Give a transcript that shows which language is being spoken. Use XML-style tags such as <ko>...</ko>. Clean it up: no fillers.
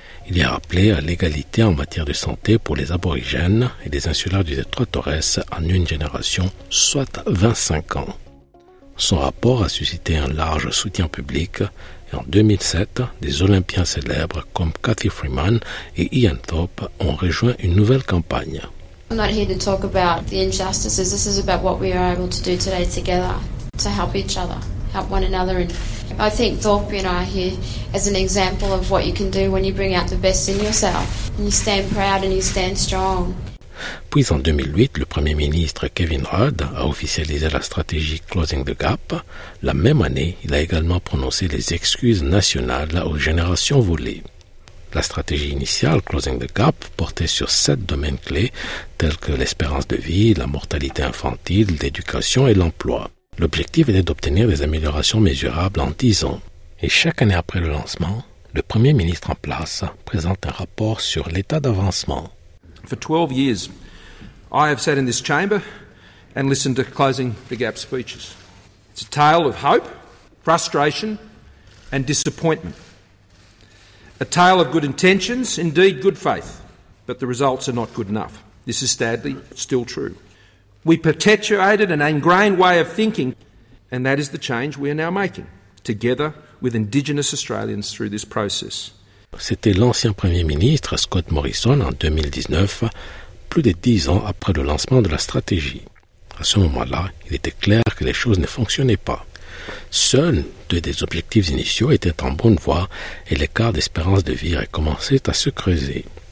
<fr>Il y a appelé à l'égalité en matière de santé pour les aborigènes et les insulaires du détroit Torres en une génération, soit 25 ans. Son rapport a suscité un large soutien public et en 2007, des Olympiens célèbres comme Cathy Freeman et Ian Thorpe ont rejoint une nouvelle campagne.</fr> <en>I'm not here to talk about the injustices. This is about what we are able to do today together to help each other, help one another. And I think Thorpe and I are here as an example of what you can do when you bring out the best in yourself and you stand proud and you stand strong.</en> <fr>Puis en 2008, le Premier ministre Kevin Rudd a officialisé la stratégie Closing the Gap. La même année, il a également prononcé les excuses nationales aux générations volées. La stratégie initiale Closing the Gap portait sur 7 domaines clés tels que l'espérance de vie, la mortalité infantile, l'éducation et l'emploi. L'objectif était d'obtenir des améliorations mesurables en 10 ans. Et chaque année après le lancement, le Premier ministre en place présente un rapport sur l'état d'avancement.</fr> <en>For 12 years, I have sat in this chamber and listened to Closing the Gap speeches. It's a tale of hope, frustration and disappointment. A tale of good intentions, indeed good faith, but the results are not good enough. This is sadly still true. We perpetuated an ingrained way of thinking, and that is the change we are now making, together with Indigenous Australians through this process.</en> <fr>C'était l'ancien Premier ministre Scott Morrison en 2019, plus de 10 ans après le lancement de la stratégie. À ce moment-là, il était clair que les choses ne fonctionnaient pas. Seuls deux des objectifs initiaux étaient en bonne voie et l'écart d'espérance de vie recommençait à se creuser.</fr>